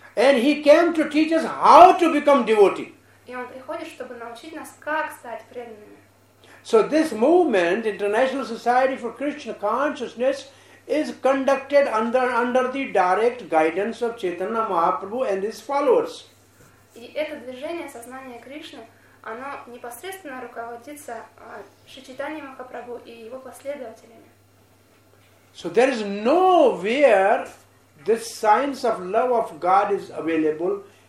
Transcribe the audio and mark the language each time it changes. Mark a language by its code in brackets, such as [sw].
[en] And he came to teach us how to become devotee. [ru] И он приходит, чтобы научить нас, как стать преданными. [en] So this movement, International Society for Krishna Consciousness, is conducted under the direct guidance of Chaitanya Mahaprabhu and his followers. [ru] И это движение сознания Кришны, оно непосредственно руководится Шри Чайтанья Махапрабху и его последователями. [en] So there is nowhere this science of love of God is available.